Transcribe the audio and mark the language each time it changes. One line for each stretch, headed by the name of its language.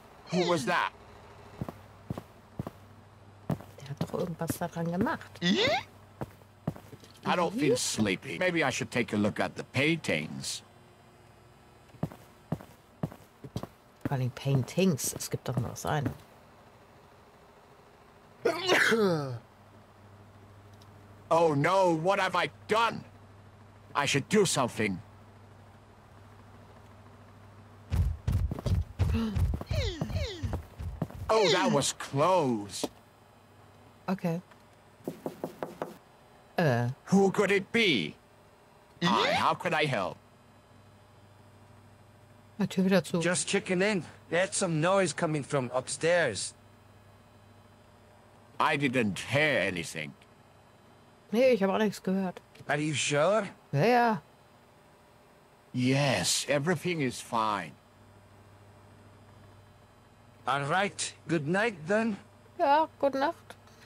English: Who was that?
German: Der hat doch irgendwas daran gemacht.
English: I don't feel sleepy. Maybe I should take a look at the paintings.
German: Vor allem Paintings. Es gibt doch nur das eine.
English: Oh no, what have I done? I should do something. Oh, that was close. Okay. Who could it be? Hi, how could I help? Just checking in. There's some noise coming from upstairs. I didn't hear anything.
German: Nee, ich habe auch nichts gehört.
English: Are you sure? Yeah. Yes, everything is fine. All right, good night then.
German: Ja, gute Nacht.